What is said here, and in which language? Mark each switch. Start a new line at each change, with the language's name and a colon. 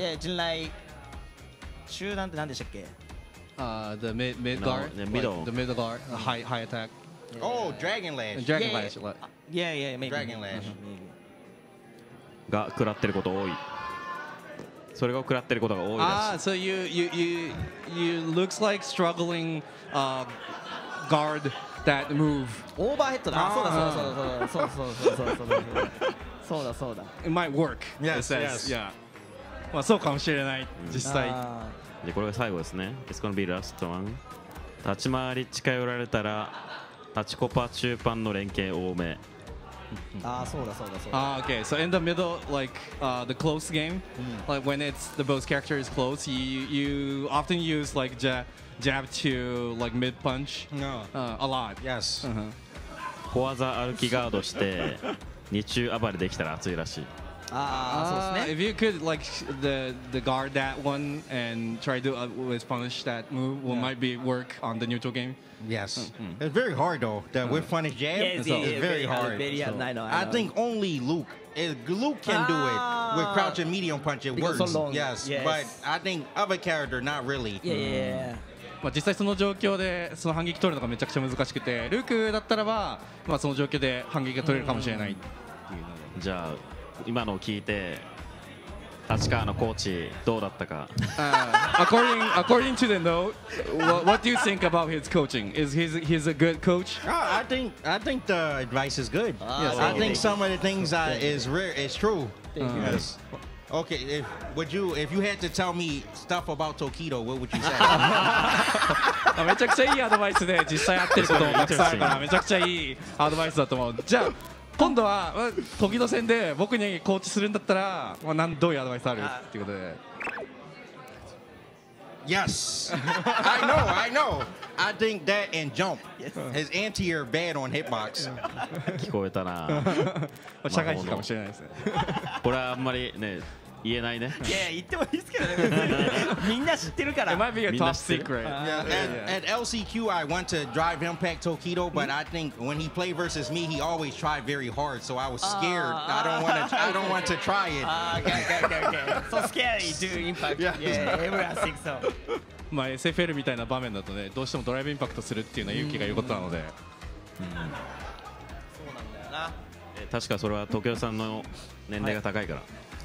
Japanese: yeah, 人雷中断って何でしたっけ
English: The mid guard no, middle.、 Like、The middle guard、mm-hmm. high attack yeah, Oh yeah. Dragon Lash Dragon Lash yeah. yeah yeah maybe Dragon Lash、mm-hmm.
Japanese: が食らってること多い。それが食らってることが多いです。
English: Ah, so you looks like struggling guard that move.
Japanese: オーバーヘッドだ。そうだそうだそうだそうだそうだそうだそうだそうだ。
English: It might work. Yes, yes, yes.
Japanese: Yeah. まあそうかもしれない。実際。でこれが最後ですね。
English: It's gonna be last one.
Japanese: 立ち回り近寄られたら立ちコパ中パンの連携多め。
English: Ah, okay. So in the middle, like the close game, like when it's the both character is close, you often use like jab to like mid punch. No, a lot. Yes.
Japanese: 小技歩きガードして日中暴れできたら熱いらしい。そうですね。
English: If you could like the guard that one and try to always punish that move, it might be work on the neutral game. Yes. Mm-hmm. It's very hard though. That whip punish jab yes, is yes, very hard. Very, yeah, so. I know. I think only Luke. If Luke can do it with crouching medium punch, it works. So long, yes. But I think other character, not really. Yeah.
Japanese: 実際その状況でその反撃取るのがめちゃくちゃ難しくて、ルークだったらば、まあその状況で反撃が取れるかもしれない。じゃあ。今のを聞いて立川のコーチどうだったか
English: according to the note what do you think about his coaching is he's a good coach I think the advice is good yes, I think some of the things that is rare is true yes okay if you had to tell me stuff about Tokido what would you say
Japanese: めちゃくちゃいいアドバイスで実際やってることもたくさんあるからめちゃくちゃいいアドバイスだと思うじゃあ今度は時の戦で僕にコーチするんだったら、まあ、どういうアドバイスあるっていうことで
English: Yes! I know! I think that and jump His anti-air bad on hitbox
Japanese: 聞こえたな社会人かもしれないですねこれはあんまりね言えないねいや言ってもいいですけどねみんな知ってるから
English: It might be a top secret At LCQ I want to drive impact Tokido But I think when he played versus me He always tried very hard So I was scared I don't want to try it Okay. So scary to impact Yeah, everyone thinks so
Japanese: まあ SFL みたいな場面だとねどうしてもドライブインパクトするっていうのは勇気が良かったのでそうなんだよな確かそれは東京さんの年齢が高いから、はい